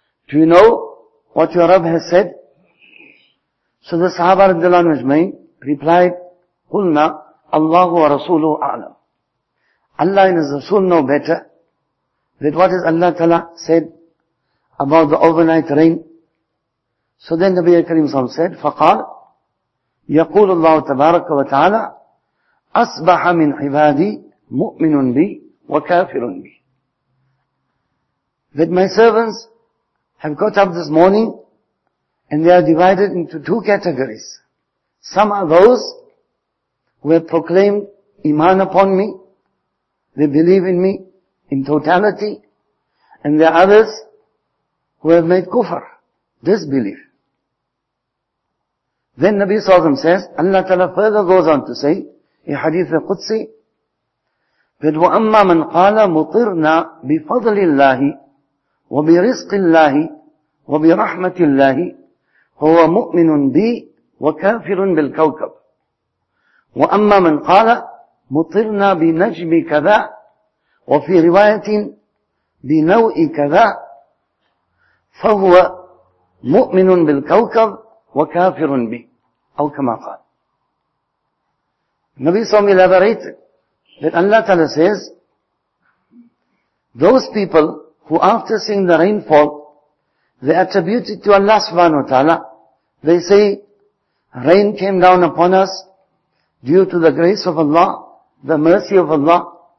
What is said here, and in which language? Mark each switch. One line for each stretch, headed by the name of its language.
English: Do you know what your Rabb has said? So the Sahaba radhiyallahu anhum ajma'in replied,
Arabic: قُلْنَا اللَّهُ وَرَسُولُهُ أَعْلَمُ.
English: Allah and His Rasul know better that what is Allah Ta'ala said about the overnight rain. So then Nabi Kareem said,
Arabic: فَقَالَ يَقُولُ اللَّهُ تَبَارَكَ وَتَعَالَى أَصْبَحَ مِنْ عِبَادِي مُؤْمِنٌ بِي وَكَافِرٌ بِي.
English: That my servants have got up this morning and they are divided into two categories. Some are those who have proclaimed iman upon me, they believe in me in totality, and there are others who have made kufr, disbelief. Then Nabi Sallallahu Alaihi Wasallam says, Allah Ta'ala further goes on to say, in Hadith al-Qudsi,
Arabic: that وَأَمَّا مَنْ قَالَ مُطِرْنَا بِفَضْلِ اللَّهِ وبرزق الله وبرحمة الله هو مؤمن بي وكافر بالكوكب وأما من قال مطرنا بنجم كذا وفي رواية بنوء كذا فهو مؤمن بالكوكب وكافر بي أو كما قال. نبي صلى الله عليه وسلم
English: Allah Ta'ala says, those people who after seeing the rainfall, they attribute it to Allah subhanahu wa ta'ala. They say, rain came down upon us due to the grace of Allah, the mercy of Allah.